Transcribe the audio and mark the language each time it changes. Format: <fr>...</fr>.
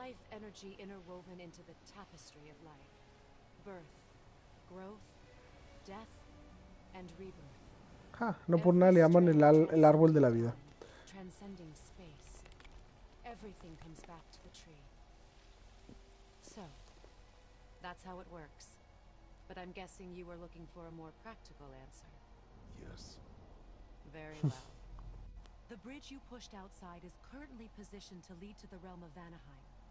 <en>Energy interwoven into the tapestry of life. Birth, growth, death, and rebirth.</en> <es>No por nada le llaman el árbol de la vida.</es> <en>Transcending space. Everything comes back to the tree. So, that's how it works. But I'm guessing you were looking for a more practical answer. Yes. Very well. The bridge you pushed outside is currently positioned to lead to the realm of Vanaheim.</en>